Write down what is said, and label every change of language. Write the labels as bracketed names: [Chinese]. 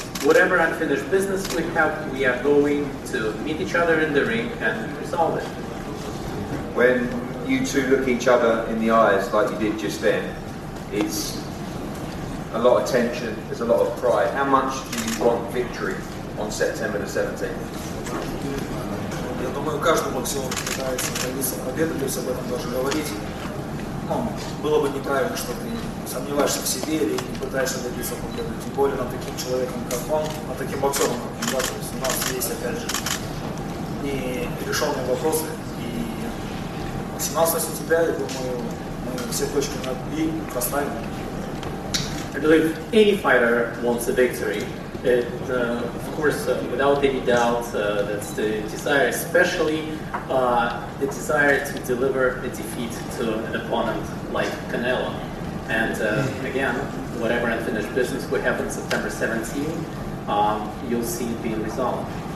[English] Whatever unfinished business we are going to meet each other in the ring and resolve it. When you two look each other in the eyes like you did just then, it's a lot of tension, there's a lot of pride. How much do you want victory on September the 17th? [Russian] Я думаю, каждый боксер пытается добиться победы, то есть об этом должен говорить. Ну, было бы неправильно, что ты сомневаешься в себе или не пытаешься добиться победы. Тем более над таким человеком, как он, над таким боксером, как он, да, то есть у нас есть, опять же, нерешенные вопросы. И 18 сентября, я думаю, мы все точки над «и» поставим. [English] I believe any fighter wants a victory. It, of course, without any doubt, that's the desire, especially the desire to deliver a defeat to an opponent like Canelo. And again, whatever unfinished business we have on September 17, you'll see it being resolved.